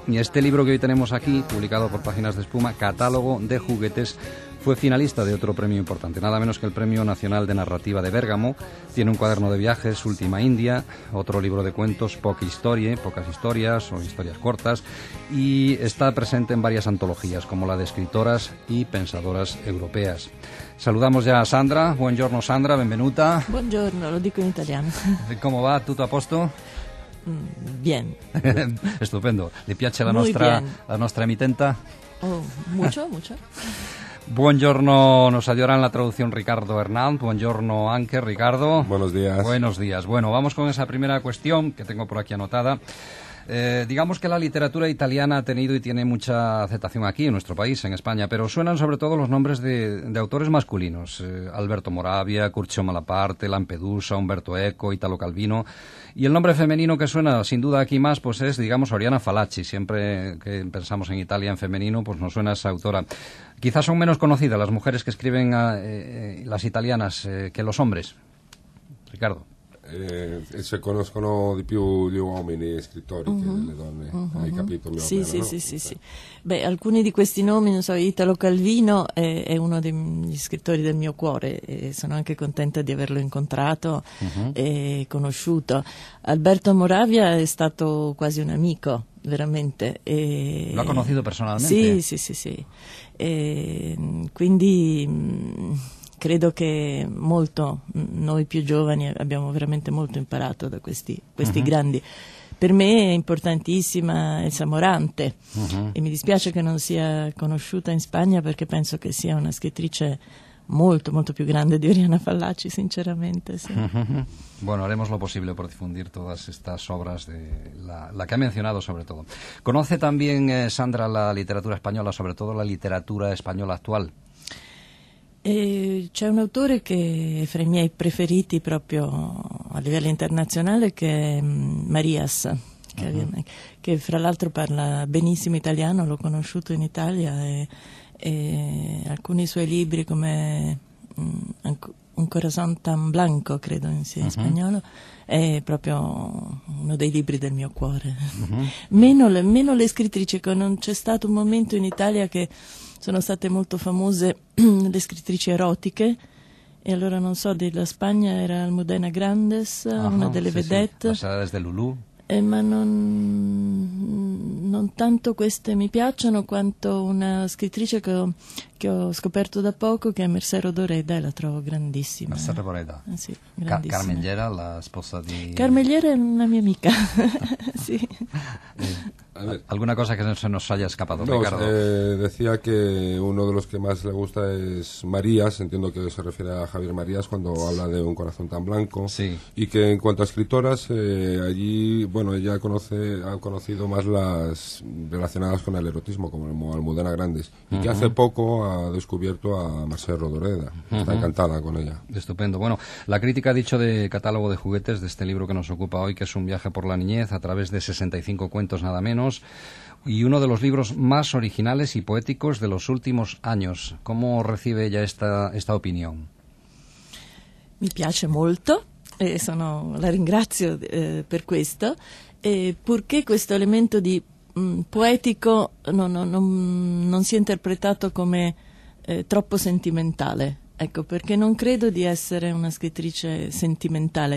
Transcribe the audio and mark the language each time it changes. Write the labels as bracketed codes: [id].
[es] Y este libro que hoy tenemos aquí, publicado por Páginas de Espuma, Catálogo de Juguetes, fue finalista de otro premio importante, nada menos que el Premio Nacional de Narrativa de Bérgamo. Tiene un cuaderno de viajes, Última India, otro libro de cuentos, pocas historias o historias cortas, y está presente en varias antologías, como la de escritoras y pensadoras europeas. Saludamos ya a Sandra. [it] Buongiorno, Sandra, benvenuta. Buongiorno, lo dico in italiano. [es] ¿Cómo va? [it] ¿Tutto a posto? [es] Bien. Estupendo. [it] ¿Le piace la nostra, emitenta? [es] Oh, mucho, mucho. [it] Buongiorno, [es] nos ayudará en la traducción Ricardo Hernán. [it] Buongiorno, Anke, Ricardo. [es] Buenos días. Buenos días. Bueno, vamos con esa primera cuestión que tengo por aquí anotada. Digamos que la literatura italiana ha tenido y tiene mucha aceptación aquí en nuestro país, en España, pero suenan sobre todo los nombres de autores masculinos. Alberto Moravia, Curcio Malaparte, Lampedusa, Umberto Eco, Italo Calvino. Y el nombre femenino que suena sin duda aquí más, pues es, digamos, Oriana Fallaci. Siempre que pensamos en Italia en femenino, pues nos suena esa autora. Quizás son menos conocidas las mujeres que escriben las italianas que los hombres. Ricardo. [it] Se conoscono di più gli uomini scrittori che le donne, hai capito? Sì, sì, sì, sì, sì. Beh, alcuni di questi nomi, non so, Italo Calvino è uno degli scrittori del mio cuore e sono anche contenta di averlo incontrato e conosciuto. Alberto Moravia è stato quasi un amico, veramente. E... Lo ha conosciuto personalmente? Sì, sì, sì, sì. E, quindi... credo che molto noi più giovani abbiamo veramente molto imparato da questi grandi. Per me è importantissima Elsa Morante e mi dispiace che non sia conosciuta in Spagna, perché penso che sia una scrittrice molto molto più grande di Oriana Fallaci, sinceramente. Sì. [es] Bueno, haremos lo posible por difundir todas estas obras de la que ha mencionado, sobre todo. ¿Conoce también Sandra la literatura española, sobre todo la literatura española actual? [it] C'è un autore che è fra i miei preferiti proprio a livello internazionale, che è Marias, che fra l'altro parla benissimo italiano, l'ho conosciuto in Italia e alcuni suoi libri come Un corazón tan blanco, credo in sia in spagnolo, è proprio uno dei libri del mio cuore. Meno le scrittrici, non c'è stato un momento in Italia che... Sono state molto famose le scrittrici erotiche, e allora non so, della Spagna era Almudena Grandes, una delle vedette. Sì. La Sagrada de Lulú. Ma non tanto queste mi piacciono, quanto una scrittrice che ho scoperto da poco, che è Mercè Rodoreda, e la trovo grandissima. Mercè Rodoreda? Sì, grandissima. Carmeliera, la sposa di... Carmeliera è una mia amica, sì. [es] ¿Alguna cosa que se nos haya escapado, Ricardo? Decía que uno de los que más le gusta es Marías, entiendo que se refiere a Javier Marías cuando habla de Un corazón tan blanco. Sí. Y que en cuanto a escritoras, allí, bueno, ella ha conocido más las relacionadas con el erotismo, como Almudena Grandes. Y que hace poco ha descubierto a Mercè Rodoreda. Está encantada con ella. Estupendo. Bueno, la crítica ha dicho de Catálogo de Juguetes, de este libro que nos ocupa hoy, que es un viaje por la niñez a través de 65 cuentos nada menos. Y uno de los libros más originales y poéticos de los últimos años. ¿Cómo recibe ella esta opinión? [it] Mi piace molto, la ringrazio per questo. Perché questo elemento di poetico non si è interpretato come troppo sentimentale? Ecco, perché non credo di essere una scrittrice sentimentale.